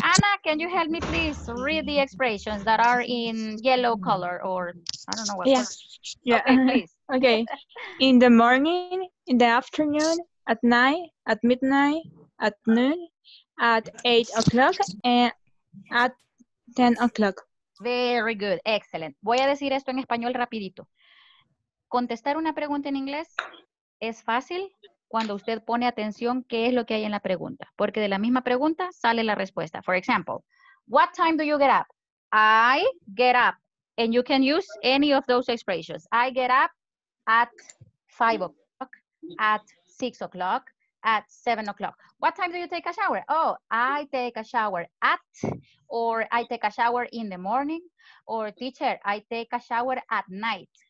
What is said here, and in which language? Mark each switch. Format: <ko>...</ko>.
<en>Anna, can you help me please read the expressions that are in yellow color or I don't know what. Yeah. Color. Yeah. Okay, please. Okay. In the morning, in the afternoon, at night, at midnight, at noon, at 8 o'clock and at 10 o'clock. Very good. Excellent.</en> <es>Voy a decir esto en español rapidito. Contestar una pregunta en inglés es fácil cuando usted pone atención qué es lo que hay en la pregunta. Porque de la misma pregunta sale la respuesta.</es> <en>For example, what time do you get up? I get up. And you can use any of those expressions. I get up at 5 o'clock, at 6 o'clock. At 7 o'clock. What time do you take a shower? Oh, I take a shower at, or I take a shower in the morning, or teacher, I take a shower at night.</en>